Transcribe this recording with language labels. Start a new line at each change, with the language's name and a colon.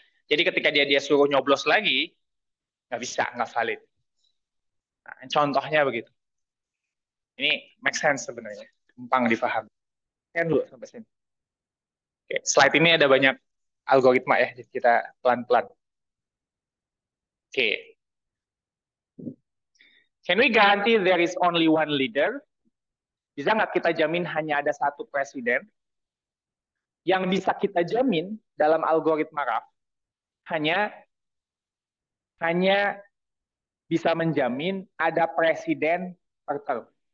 Indonesian: Jadi ketika dia suruh nyoblos lagi enggak bisa, enggak valid. Nah, contohnya begitu. Ini make sense sebenarnya, gampang dipaham. Kan dulu sampai sini. Oke, slide ini ada banyak algoritma ya, jadi kita pelan-pelan. Oke. Okay.
English: Can we guarantee there is only one leader?
Indonesian: Bisa nggak kita jamin hanya ada satu presiden? Yang bisa kita jamin dalam algoritma RAF hanya hanya bisa menjamin ada presiden per term.